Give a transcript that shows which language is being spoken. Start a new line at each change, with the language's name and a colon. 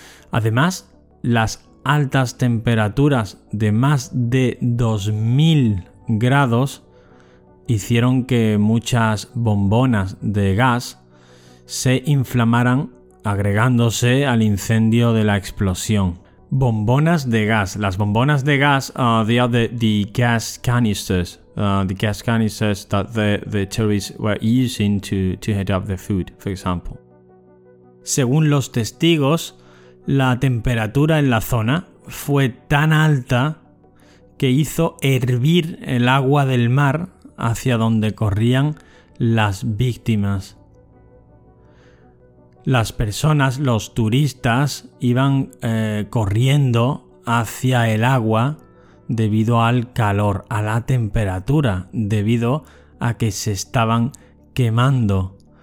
Spanish: Además, las altas temperaturas de más de 2.000 grados hicieron que muchas bombonas de gas se inflamaran, agregándose al incendio de la explosión. Bombonas de gas. Las bombonas de gas,
English: the gas canisters that the tourists were using to heat up the food, for example.
Spanish: Según los testigos, la temperatura en la zona fue tan alta que hizo hervir el agua del mar hacia donde corrían las víctimas. Las personas, los turistas, iban corriendo hacia el agua debido al calor, a la temperatura, debido a que se estaban quemando.